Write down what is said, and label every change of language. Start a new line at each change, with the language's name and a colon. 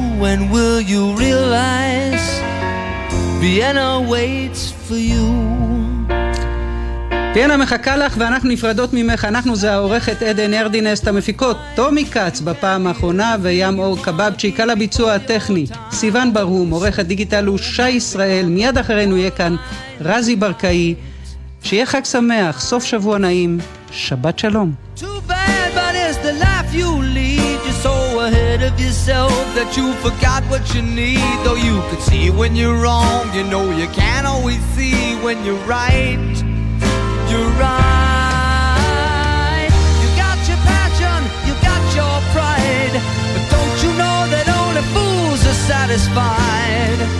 English: When will you realize Vienna waits for you?
Hebrew: ויאנה מחכה לך, ואנחנו נפרדות ממך. אנחנו זה העורכת עדן ארדינס, המפיקות תומי קץ בפעם האחרונה, וים אור קבבצ'יק על הביצוע הטכני, סיוון ברום, עורכת דיגיטל הוא שי ישראל. מיד אחרינו יהיה כאן רזי ברקאי. שיהיה חג שמח, סוף שבוע נעים, שבת שלום.
English: Too bad, but it's the life you lead. You're so ahead of yourself that you forgot what you need. Though you can see when you're wrong, you know you can't always see when you're right. You're right. You got your passion, you got your pride, but don't you know that only fools are satisfied?